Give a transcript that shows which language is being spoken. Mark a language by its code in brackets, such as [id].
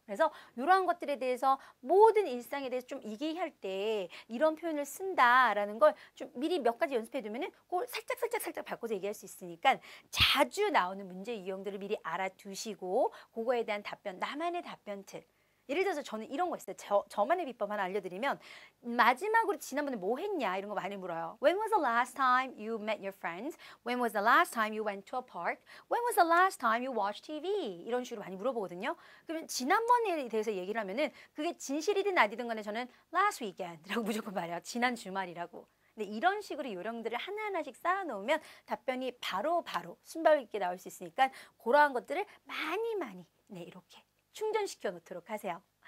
[ko] 그래서 이러한 것들에 대해서 모든 일상에 대해서 좀 얘기할 때 이런 표현을 쓴다라는 걸 좀 미리 몇 가지 연습해두면 그걸 살짝 바꿔서 얘기할 수 있으니까 자주 나오는 문제 유형들을 미리 알아두시고 그거에 대한 답변, 나만의 답변틀 예를 들어서 저는 이런 거 있어요. 저만의 비법 하나 알려드리면 마지막으로 지난번에 뭐 했냐 이런 거 많이 물어요. [en] When was the last time you met your friends? When was the last time you went to a park? When was the last time you watched TV? [ko] 이런 식으로 많이 물어보거든요. 그러면 지난번에 대해서 얘기를 하면은 그게 진실이든 아니든 간에 저는 last weekend라고 무조건 말해요. 지난 주말이라고. 근데 이런 식으로 요령들을 하나하나씩 쌓아놓으면 답변이 바로 순발력 있게 나올 수 있으니까 그러한 것들을 많이 네 이렇게 충전시켜 놓도록 하세요.